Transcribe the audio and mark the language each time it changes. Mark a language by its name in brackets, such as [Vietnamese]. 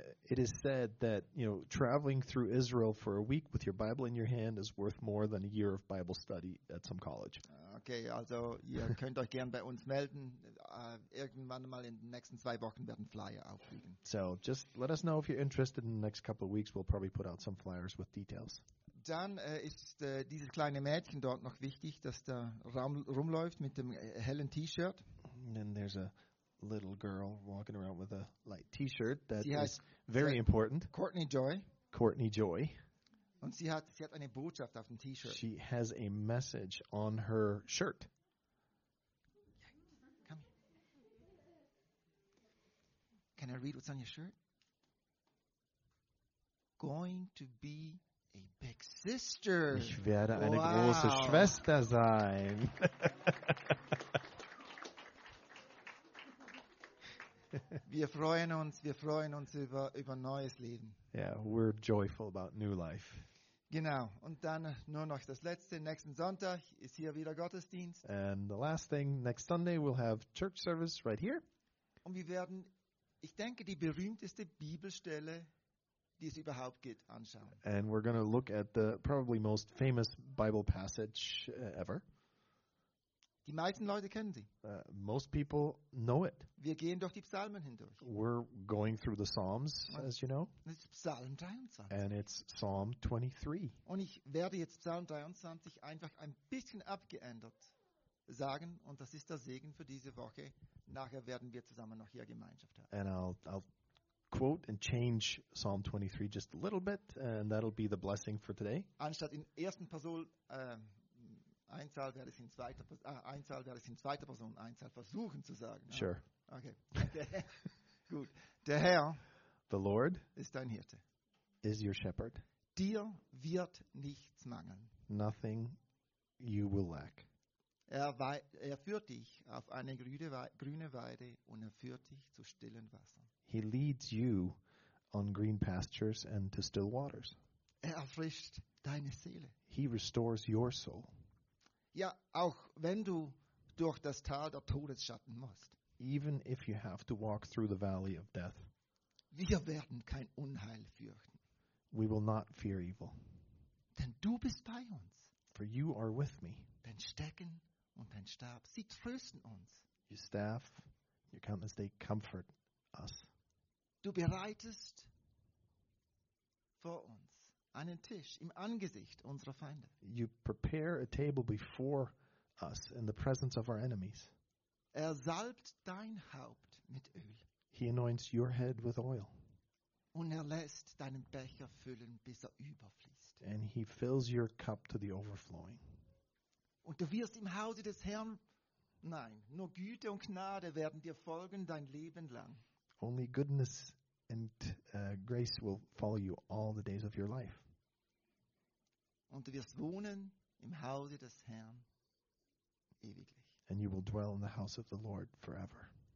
[English] It is said that, you know, traveling through Israel for a week with your Bible in your hand is worth more than a year of Bible study at some college. [German] Okay, also ihr könnt euch gern bei uns melden. Irgendwann mal in den nächsten zwei Wochen werden Flyer auffliegen. [English] So, just let us know if you're interested in the next couple of weeks. We'll probably put out some flyers with details. [German] Dann ist dieses kleine Mädchen dort noch wichtig, dass der Raum rumläuft mit dem hellen T-Shirt. [English] And then there's a little girl walking around with a light T-Shirt that is very important. Courtney Joy. Courtney Joy. [German] Und sie hat eine Botschaft auf dem T-Shirt. [English] She has a message on her shirt. Come here. Can I read what's on your shirt? Going to be a big sister. [German] Ich werde eine große Schwester sein. Wir freuen uns über neues Leben. [English] Yeah, we're joyful about new life. [German] Genau, und dann nur noch das Letzte. Nächsten Sonntag ist hier wieder Gottesdienst. [English] And the last thing, next Sunday we'll have church service right here. [German] Und wir werden, ich denke, die berühmteste Bibelstelle, die es überhaupt gibt, anschauen. [English] And we're going to look at the probably most famous Bible passage ever. [German] Die meisten Leute kennen sie. [English] Most people know it. [German] Wir gehen durch die Psalmen hindurch. [English] We're going through the Psalms, as you know. [German] Das ist Psalm 23. [English] And it's Psalm 23. [German] Und ich werde jetzt Psalm 23 einfach ein bisschen abgeändert sagen. Und das ist der Segen für diese Woche. Nachher werden wir zusammen noch hier Gemeinschaft haben. [English] And I'll quote and change Psalm 23 just a little bit. And that'll be the blessing for today. [German] Anstatt in ersten Person Einzahl werde ich in zweiter Einzahl werde ich in zweiter Person Einzahl versuchen zu sagen. [English] Sure. [German] Okay. Gut. Der Herr, [English] the Lord, [German] ist dein Hirte. [English] Is your shepherd. [German] Dir wird nichts mangeln. [English] Nothing you will lack. [German] Er führt dich auf eine grüne Weide und er führt dich zu stillen Wassern. [English] He leads you on green pastures and to still waters. [German] Er erfrischt deine Seele. [English] He restores your soul. [German] Ja, auch wenn du durch das Tal der Todesschatten musst. [English] Even if you have to walk through the valley of death. [German] Wir werden kein Unheil fürchten. [English] We will not fear evil. [German] Denn du bist bei uns. [English] For you are with me. [German] Dein Stecken und dein Stab, sie trösten uns. [English] Your staff, your compass, they comfort us. [German] Du bereitest vor uns einen Tisch im Angesicht unserer Feinde. [English] You prepare a table before us in the presence of our enemies. [German] Er salbt dein Haupt mit Öl. [English] He anoints your head with oil. [German] Und er lässt deinen Becher füllen, bis er überfließt. [English] And he fills your cup to the overflowing. [German] Und du wirst im Hause des Herrn, nein, nur Güte und Gnade werden dir folgen dein Leben lang. [English] Only goodness and grace will follow you all the days of your life. [German] Und du wirst wohnen im Hause des Herrn ewiglich. [English] And you will dwell in the house of the Lord forever.